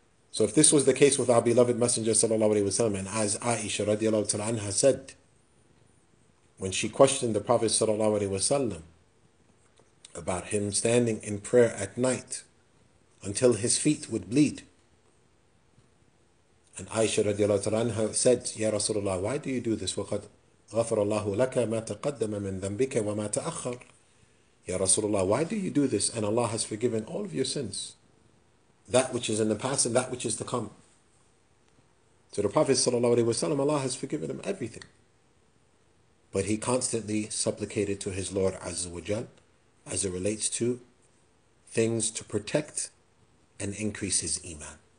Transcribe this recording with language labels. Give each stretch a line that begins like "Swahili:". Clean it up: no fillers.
English: So if this was the case with our beloved Messenger sallallahu alayhi wa sallam, and as Aisha radiallahu ta'ala anha said, when she questioned the Prophet sallallahu alayhi wa sallam about him standing in prayer at night until his feet would bleed, and Aisha radiallahu ta'ala anha said, Ya Rasulullah, why do you do this?
Arabic: وَقَدْ غَفَرَ اللَّهُ لَكَ مَا تَقَدَّمَ مِنْ ذَنْبِكَ وَمَا تَأَخَّرَ
English: Ya Rasulullah, why do you do this? And Allah has forgiven all of your sins, that which is in the past and that which is to come. So the Prophet sallallahu alaihi wasallam, Allah has forgiven him everything. But he constantly supplicated to his Lord Azza wa Jal as it relates to things to protect and increase his iman.